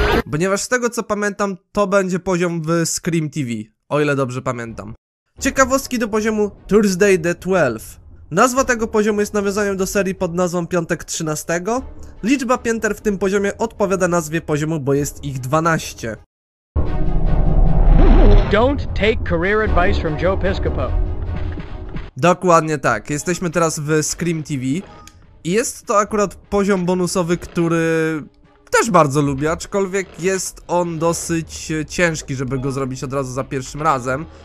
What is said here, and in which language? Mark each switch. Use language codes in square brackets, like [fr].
[pl] Ponieważ z tego co pamiętam, to będzie poziom w Scream TV, o ile dobrze pamiętam. Ciekawostki do poziomu Thursday the 12. Nazwa tego poziomu jest nawiązaniem do serii pod nazwą Piątek 13. Liczba pięter w tym poziomie odpowiada nazwie poziomu, bo jest ich 12. [en] Don't take career advice from Joe Piscopo. [pl] Dokładnie tak. Jesteśmy teraz w Scream TV. I jest to akurat poziom bonusowy, który też bardzo lubię, aczkolwiek jest on dosyć ciężki, żeby go zrobić od razu za pierwszym razem.